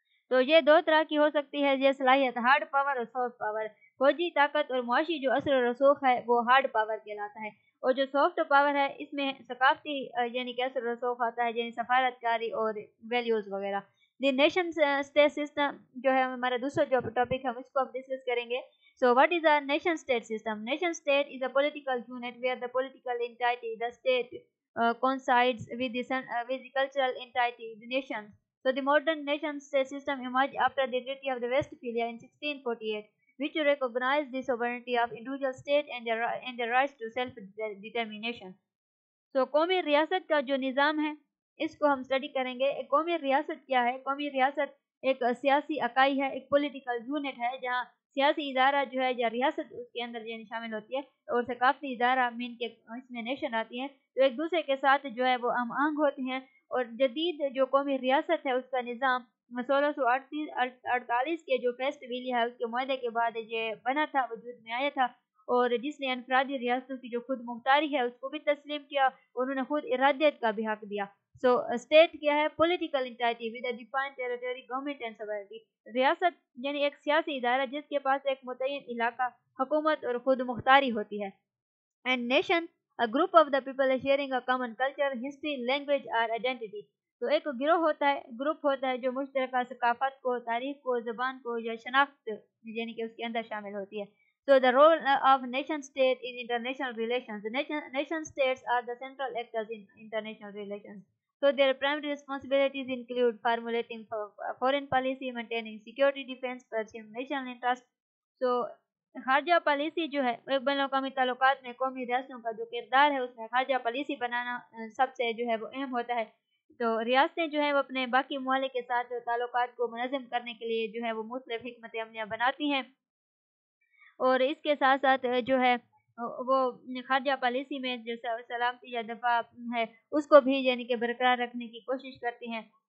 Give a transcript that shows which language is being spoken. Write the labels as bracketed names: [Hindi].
[Urdu] تو یہ دو طرح کی ہو سکتی ہے یہ صلاحیت ہارڈ پاور اور سافٹ پاور. فوجی طاقت اور معاشی جو اثر و رسوخ ہے وہ ہارڈ پاور کہلاتا ہے اور جو سافٹ پاور ہے اس میں ثقافتی یعنی کہ اثر و رسوخ آتا ہے یعنی سفارتکاری اور ویلیوز وغیرہ. [English] the nation state system [Urdu] جو ہے ہمارا دوسرا جو ٹاپک ہے اس کو ہم ڈسکس کریں گے. [English] So what is a nation state system? Nation state is a political unit where the political entity, the state, coincides with the cultural entity, the nation. So the modern nation state system emerged after the Treaty of Westphalia in 1648, which recognized the sovereignty of individual state and the rights to self-determination. [Urdu] So قومی ریاست کا جو نظام ہے اس کو ہم study کریں گے. قومی ریاست کیا ہے؟ قومی ریاست ایک سیاسی اکائی ہے, ایک پولیٹیکل یونٹ ہے جہاں سیاسی ادارہ جو ہے یا ریاست اس کے اندر جو شامل ہوتی ہے اور ثقافتی ادارہ مین کے اس میں نیشن آتی ہیں, تو ایک دوسرے کے ساتھ جو ہے وہ ہم آنگ ہوتے ہیں. اور جدید جو قومی ریاست ہے اس کا نظام 1648 کے جو فیسٹ ویلی ہے اس کے معاہدے کے بعد یہ بنا تھا, وجود میں آیا تھا, اور جس نے انفرادی ریاستوں کی جو خود مختاری ہے اس کو بھی تسلیم کیا, انہوں نے خود ارادیت کا بھی حق دیا. [English] So state کیا ہے؟ Political entity with defined territory government and sovereignty. [Urdu] ریاست یعنی ایک سیاسی ادارہ جس کے پاس ایک متعین علاقہ, حکومت اور خود مختاری ہوتی ہے. [English] And nation a group of the people sharing a common culture history language اور identity. [Urdu] تو ایک گروہ ہوتا ہے, گروپ ہوتا ہے جو مشترکہ ثقافت کو, تاریخ کو, زبان کو یا شناخت یعنی کہ اس کے اندر شامل ہوتی ہے. [English] So the role of nation state in international relations. The nation states are the central actors in international relations. So their primary responsibilities include formulating foreign policy, maintaining security, defense, pursuing national interest. [Urdu] So خارجہ policy جو ہے ایک بین الاقوامی تعلقات میں قومی ریاستوں کا جو کردار ہے اس میں خارجہ پالیسی بنانا سب سے جو ہے وہ اہم ہوتا ہے. تو ریاستیں جو ہیں وہ اپنے باقی ممالک کے ساتھ تعلقات کو منظم کرنے کے لیے جو ہے وہ مختلف حکمت عملیاں بناتی ہیں, اور اس کے ساتھ ساتھ جو ہے وہ خارجہ پالیسی میں جو سلامتی یا دفاع ہے اس کو بھی یعنی کہ برقرار رکھنے کی کوشش کرتی ہیں.